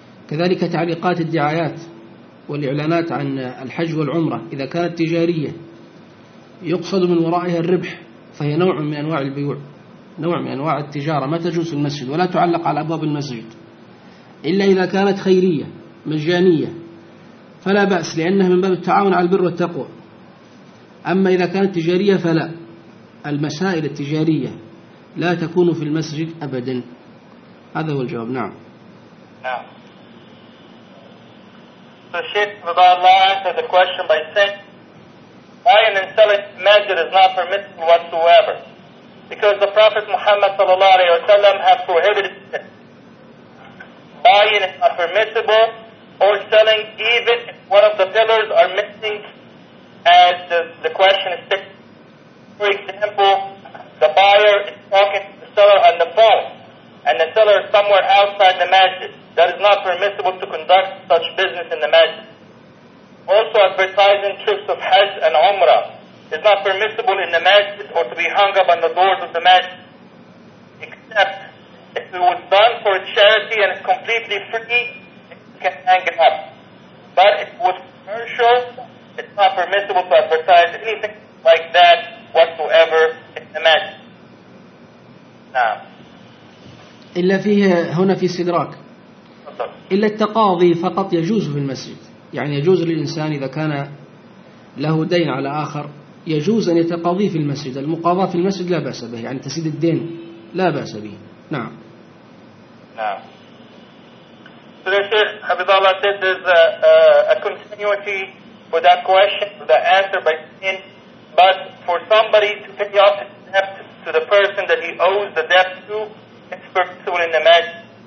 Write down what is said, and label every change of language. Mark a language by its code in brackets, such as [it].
[ar] كذلك تعليقات الدعايات والإعلانات عن الحج والعمرة إذا كانت تجارية يقصد من ورائها الربح فهي نوع من أنواع البيع, نوع من أنواع التجارة, ما تجوز المسجد ولا تعلق على أبواب المسجد إلا إذا كانت خيرية مجانية فلا بأس, لأنها من باب التعاون على البر والتقوى. أما إذا كانت تجارية فلا, المسائل التجارية لا تكون في المسجد أبدا. هذا هو الجواب. نعم. نعم. [en] So Sheikh Radallah answered the question by saying, buying and selling masjid is not permissible whatsoever, because the Prophet Muhammad sallallahu alayhi wa sallam has prohibited it. Buying is not permissible, or selling, even if one of the pillars are missing, as the question is stated. For example, the buyer is talking to the seller on the phone, and the seller is somewhere outside the masjid. That is not permissible to conduct such business in the masjid. Also, advertising trips of Hajj and Umrah is not permissible in the masjid or to be hung up on the doors of the masjid, except if it was done for a charity and is completely free, it can hang it up. But if it was commercial, it's not permissible to advertise anything like that whatsoever in the masjid. Now, [ar] إلا فيه هنا في سدراك, إلا التقاضي فقط يجوز في المسجد, يعني يجوز للإنسان إذا كان له دين على آخر يجوز أن يتقاضي في المسجد, المقاضاة في المسجد لا بأس به, يعني تسديد الدين لا بأس به. نعم. نعم. [en] So the Sheikh Habibullah said there's a continuity for that question, for that answer by saying, but for somebody to pay off his debt to the person that he owes the debt to, it's permissible in the masjid.